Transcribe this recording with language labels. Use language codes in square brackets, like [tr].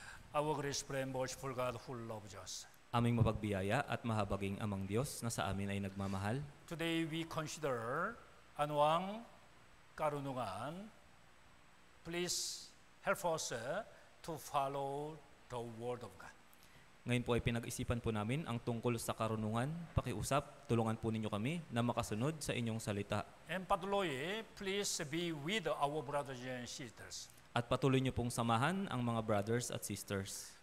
[en] Our gracious, praying, worshipful God who loves us. [tl] Aming mapagbiyaya at mahabaging amang Diyos na sa amin ay nagmamahal. [en] Today we consider [tl] ano ang karunungan. [en] Please help us to follow the word of God. [tl] Ngayon po ay pinag-isipan po namin ang tungkol sa karunungan. Pakiusap, tulungan po ninyo kami na makasunod sa inyong salita. [en] And patuloy, please be with our brothers and sisters. [tl] At patuloy niyo pong samahan ang mga brothers at sisters.